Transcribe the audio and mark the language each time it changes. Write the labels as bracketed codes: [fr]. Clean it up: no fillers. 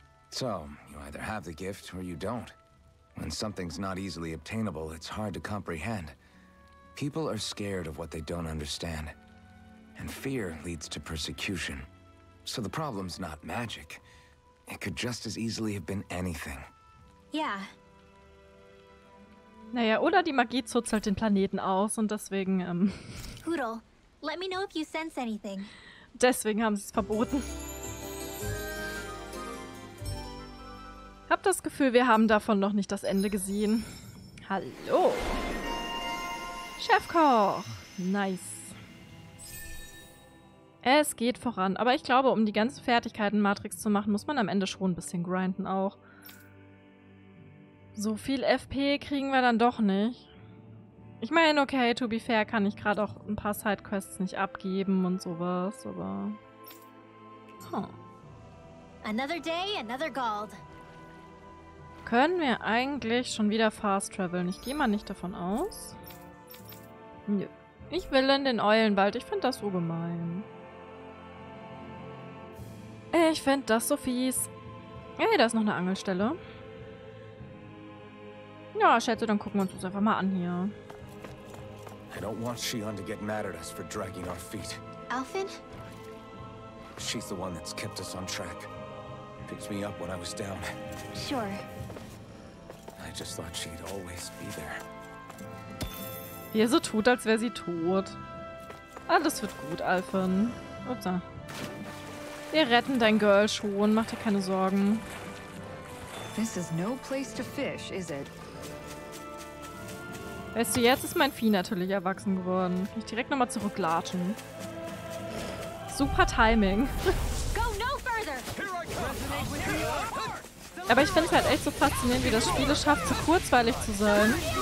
[en] So, you either have the gift or you don't. When something's not easily obtainable, it's hard to comprehend. People are scared of what they don't understand. And fear leads to persecution. So the problem's not magic. It could just as easily have been anything. Yeah. [de] Naja, oder die Magie zuzelt den Planeten aus und deswegen, [en] Hoodle, let me know if you sense anything. [de] Deswegen haben sie es verboten. Hab das Gefühl, wir haben davon noch nicht das Ende gesehen. Hallo. Chefkoch. Nice. Es geht voran, aber ich glaube, um die ganzen Fertigkeiten Matrix zu machen, muss man am Ende schon ein bisschen grinden auch. So viel FP kriegen wir dann doch nicht. Ich meine, okay, [en] to be fair, [de] kann ich gerade auch ein paar Sidequests nicht abgeben und sowas, aber... Huh. [en] Another day, another gold. [de] Können wir eigentlich schon wieder fast traveln? Ich gehe mal nicht davon aus. Nö. Ich will in den Eulenwald, ich finde das so gemein. Ich finde das so fies. Hey, da ist noch eine Angelstelle. Ja, schätze, dann gucken wir uns das einfach mal an hier. [en] I don't want Shion to get mad at us for dragging our feet. Alfin? She's the one that's kept us on track. Picked me up when I was down. Sure. I just thought she'd always be there. [de] Wie er so tut, als wäre sie tot. Alles wird gut, Alfin. Upsa. Wir retten dein Girl schon, mach dir keine Sorgen. [en] This is no place to fish, is it? [de] Weißt du, jetzt ist mein Vieh natürlich erwachsen geworden. Kann ich direkt nochmal zurücklatschen. Super Timing. [en] Go no further. [de] Aber ich finde es halt echt so faszinierend, wie das Spiel es schafft, so kurzweilig zu sein.